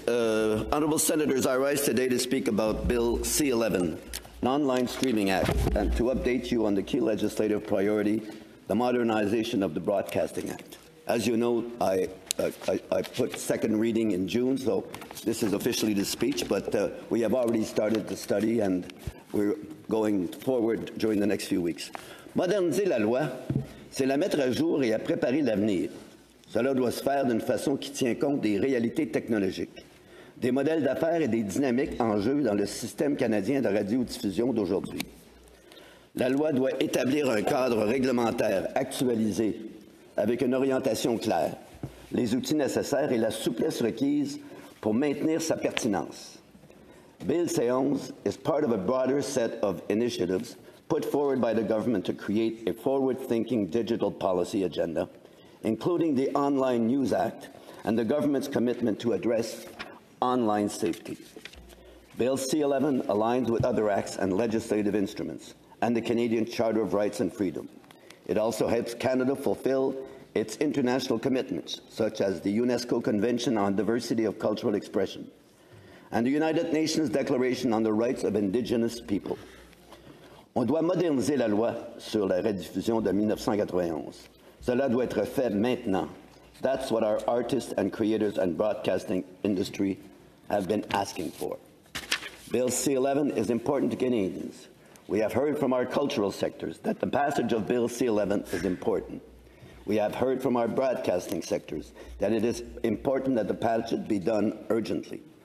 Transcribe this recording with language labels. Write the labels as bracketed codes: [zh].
[en] Honorable Senators, I rise today to speak about Bill C-11, an online streaming act, and to update you on the key legislative priority, the modernization of the Broadcasting Act. As you know, I put second reading in June, so this is officially the speech, but we have already started the study, and we're going forward during the next few weeks. [fr] Moderniser la loi, c'est la mettre à jour et à préparer l'avenir. Cela doit se faire d'une façon qui tient compte des réalités technologiques, des modèles d'affaires et des dynamiques en jeu dans le système canadien de radiodiffusion d'aujourd'hui. La loi doit établir un cadre réglementaire actualisé avec une orientation claire, les outils nécessaires et la souplesse requise pour maintenir sa pertinence. [en] Bill C-11 is part of a broader set of initiatives put forward by the government to create a forward-thinking digital policy agenda, including the Online News Act and the government's commitment to address online safety. Bill C-11 aligns with other acts and legislative instruments and the Canadian Charter of Rights and Freedom. It also helps Canada fulfill its international commitments, such as the UNESCO Convention on Diversity of Cultural Expression and the United Nations Declaration on the Rights of Indigenous People. [fr] On doit moderniser la loi sur la rediffusion de 1991. Cela doit être fait maintenant. [en] That's what our artists and creators and broadcasting industry have been asking for. Bill C-11 is important to Canadians. We have heard from our cultural sectors that the passage of Bill C-11 is important. We have heard from our broadcasting sectors that it is important that the passage be done urgently.